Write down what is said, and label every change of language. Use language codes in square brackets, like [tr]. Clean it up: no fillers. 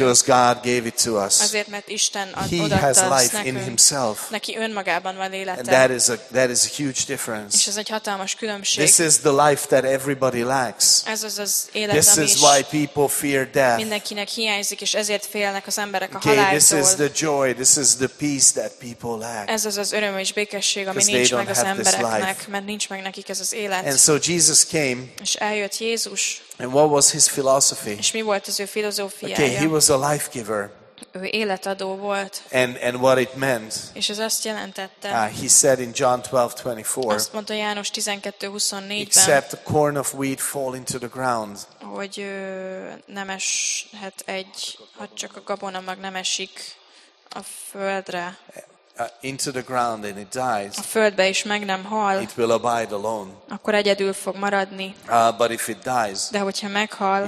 [en] Because God gave it to us. [hu] Azért, mert Isten adta nekünk. [en] He has life in himself. [hu] Neki önmagában van élete. [en] And that is a huge difference. [hu] És ez egy hatalmas különbség. [en] This is the life that everybody lacks. [hu] Ez az az élet, [en] this is why people fear death. [hu] Mindenkinek hiányzik, és ezért félnek az emberek a [en] okay, [hu] haláltól. [en] This is the joy, this is the peace that people lack. [hu] Ez az az öröm és békesség, ami nincs meg az embereknek, mert nincs meg nekik ez az élet. [en] And so Jesus came. [hu] És eljött Jézus. [en] And what was his philosophy? [hu] És mi volt az ő filozófiája? [en] Okay, he was a life giver. [hu] Ő életadó volt. [en] And what it meant? [hu] És ez azt jelentette. [en] He said in John 12:24. [hu] Azt mondta János 12:24-ben. [en] Except a corn of wheat fall into the ground. [hu] Hogy nem eshet egy, ha csak a gabona mag nem esik a földre. [en] into the ground and it dies, [hu] a földbe is meg nem hal, [en] it will abide alone. [hu] Akkor egyedül fog maradni. [en] But if it dies, [hu] de hogyha meghal,